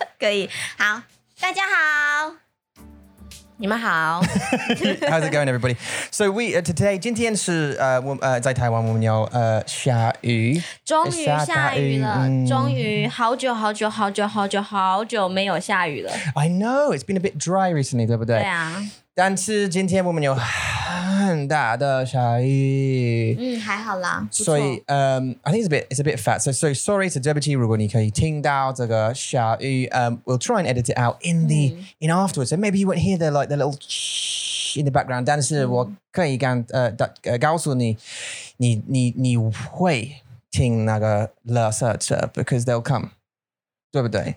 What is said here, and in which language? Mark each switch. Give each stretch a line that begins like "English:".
Chinese: 可以。好，大家好。你们好。
English: How's it going, everybody? So we, today,
Chinese: 今天是在台湾我们要下雨。终于下雨了。终于好久好久好久好久好久没有下雨了。
English: I know, it's been a bit dry recently,
Chinese: 对不对？对啊。但是今天我们有很大的下雨。还好啦。
English: 所以I think it's a bit fat. So sorry,
Chinese: 对不起，如果你可以听到这个下雨
English: we'll try and edit it out in the, in afterwards. So maybe you won't hear the little shh in the background.
Chinese: 但是我可以告诉你，你会听那个垃圾车
English: because they'll come.
Chinese: 对不对？